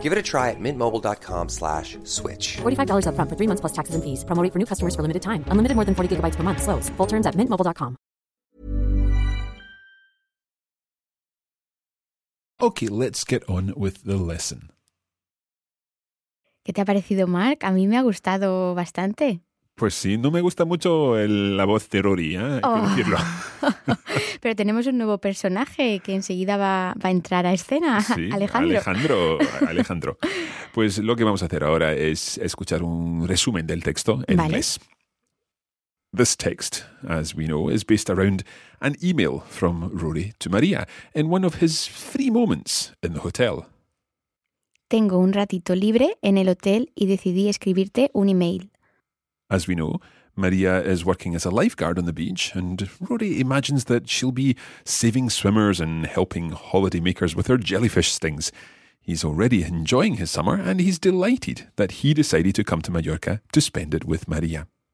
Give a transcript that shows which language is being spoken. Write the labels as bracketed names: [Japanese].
[English] Give it a try at mintmobile.com/switch. $45 up front for 3 months plus taxes and fees. Promo rate for new customers for limited time. Unlimited more than 40 gigabytes per month. Slows full terms at mintmobile.com. Okay, let's get on with the lesson. [Spanish] ¿Qué te ha parecido, Mark? A mí me ha gustado bastante. Pues sí, no me gusta mucho la voz de Rory, decirlo. Pero tenemos un nuevo personaje que enseguida va a entrar a escena, sí, Alejandro. Pues lo que vamos a hacer ahora es escuchar un resumen del texto en inglés. [English] This text, as we know, is based around an email from Rory to María in one of his free moments in the hotel. [Spanish] Tengo un ratito libre en el hotel y decidí escribirte un email. [English] As we know, María is working as a lifeguard on the beach, and Rory imagines that she'll be saving swimmers and helping holidaymakers with her jellyfish stings. He's already enjoying his summer, and he's delighted that he decided to come to Mallorca to spend it with María.